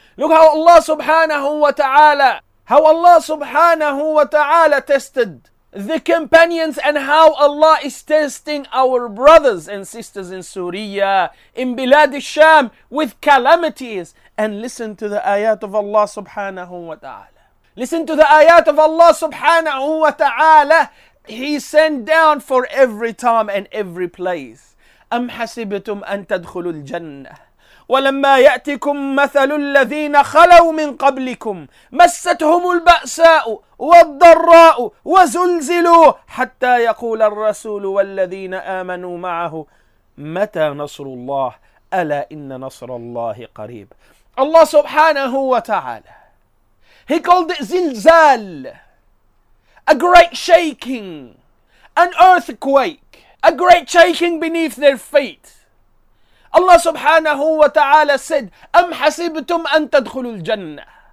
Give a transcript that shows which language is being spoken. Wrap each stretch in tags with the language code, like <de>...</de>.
<en>Look how Allah subhanahu wa ta'ala, how Allah subhanahu wa ta'ala tested the companions, and how Allah is testing our brothers and sisters in Syria, in Bilad al-Sham, with calamities. And listen to the ayat of Allah subhanahu wa ta'ala. Listen to the ayat of Allah subhanahu wa ta'ala. He sent down for every time and every place.</en> <ar>أَمْ حَسِبْتُمْ أَن تَدْخُلُوا الْجَنَّةِ ولما يأتكم مثل الذين خلوا من قبلكم مستهم البأساء والضراء وزلزلوا حتى يقول الرسول والذين آمنوا معه متى نصر الله ألا إن نصر الله قريب. الله سبحانه وتعالى,</ar> <en>He called it زلزال, a great shaking, an earthquake, a great shaking beneath their feet. Allah subhanahu wa ta'ala said,</en> <ar>أَمْ حَسِبْتُمْ أَن تَدْخُلُوا الْجَنَّةِ.</ar>